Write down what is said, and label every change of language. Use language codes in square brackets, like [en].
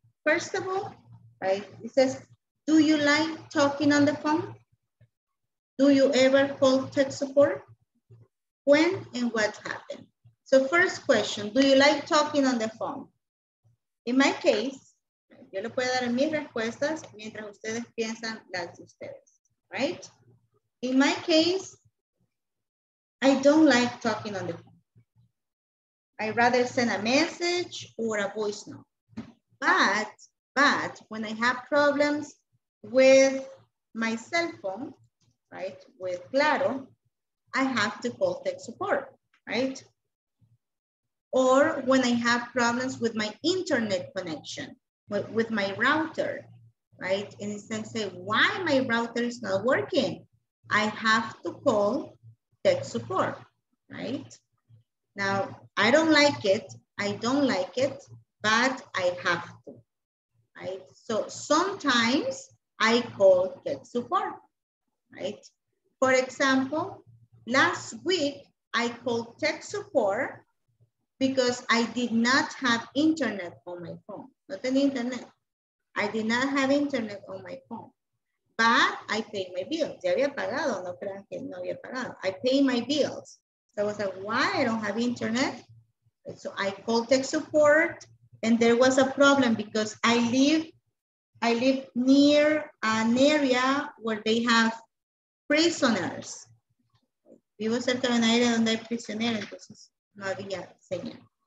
[en] First of all, right, it says, do you like talking on the phone? Do you ever call tech support? When and what happened? So first question, do you like talking on the phone? In my case, [es] yo le puedo dar mis respuestas mientras ustedes piensan las de ustedes, right? [en] In my case, I don't like talking on the phone. I rather send a message or a voice note. But when I have problems with my cell phone, right, with Claro, I have to call tech support, right? Or when I have problems with my internet connection, with my router, right? And instead say, why my router is not working? I have to call tech support, right? Now, I don't like it, but I have to, right? So sometimes I call tech support, right? For example, last week I called tech support because I did not have internet on my phone. Not an internet. I did not have internet on my phone. But I paid my bills. [es] Ya había pagado, no crean que no había pagado. [en] I paid my bills. So I was like, why I don't have internet? So I called tech support and there was a problem because I live near an area where they have prisoners. [es] Vivo cerca de una área donde hay prisioneros, entonces no había señal.